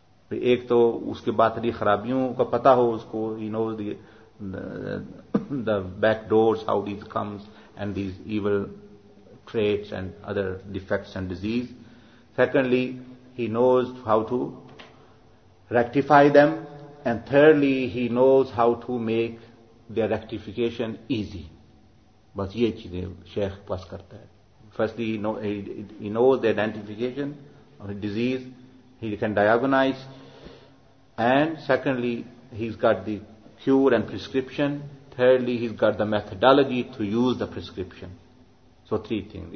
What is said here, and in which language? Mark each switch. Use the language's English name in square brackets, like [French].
[Urdu] ایک تو اس کے باطنی خرابیوں کا پتا ہو اس کو, [English] he knows the back doors, how these comes and these evil traits and other defects and disease. Secondly, he knows how to rectify them, and thirdly, he knows how to make their rectification easy. [Urdu] بس یہ چیزیں شیخ پاس کرتا ہے. [English] Firstly, he knows the identification or a disease, he can diagnose, and secondly, he's got the cure and prescription. Thirdly, he's got the methodology to use the prescription. So three things.